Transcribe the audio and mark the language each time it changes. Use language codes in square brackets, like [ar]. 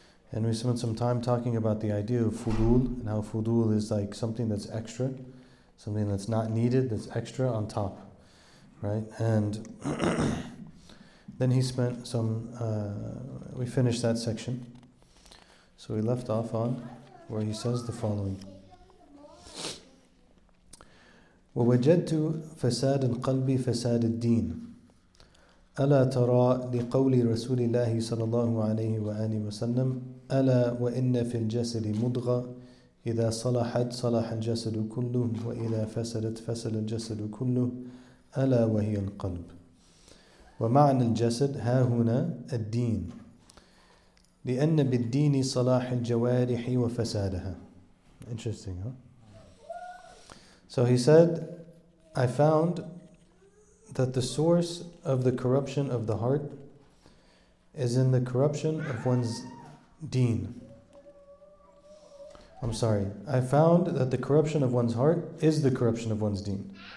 [en] And we spent some time talking about the idea of fudul and how fudul is like something that's extra, something that's not needed, that's extra on top, right? And then he spent some, we finished that section. So we left off on where he says the following. [ar] وَوَجَدْتُ فَسَادَ الْقَلْبِ فَسَادَ الدِّينِ ألا ترى لقول رسول الله صلى الله عليه وآله وسلم ألا وإن في الجسد مضغة إذا صلحت صلح الجسد كله وإذا فسدت فسد الجسد كله ألا وهي القلب ومعنى الجسد ها هنا الدين لأن بالدين صلاح الجوارح وفسادها. [en] Interesting, huh? So he said, I found that the source of the corruption of the heart is in the corruption of one's deen. I'm sorry. I found that the corruption of one's heart is the corruption of one's deen.